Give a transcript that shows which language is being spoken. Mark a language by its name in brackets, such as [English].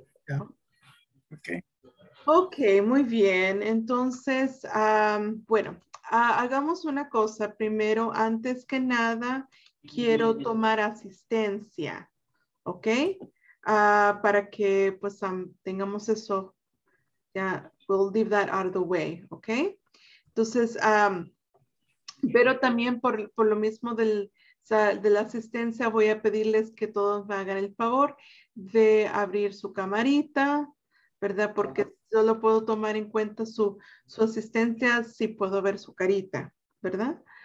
[Spanish] Yeah. Ok. Ok, muy bien. Entonces, hagamos una cosa. Primero, antes que nada, quiero tomar asistencia, ¿ok? Para que pues tengamos eso. [English] Yeah, we'll leave that out of the way, okay? [Spanish] Entonces, pero también por lo mismo de la asistencia, voy a pedirles que todos me hagan el favor de abrir su camarita, ¿verdad? Porque solo puedo tomar en cuenta su asistencia si puedo ver su carita, ¿verdad?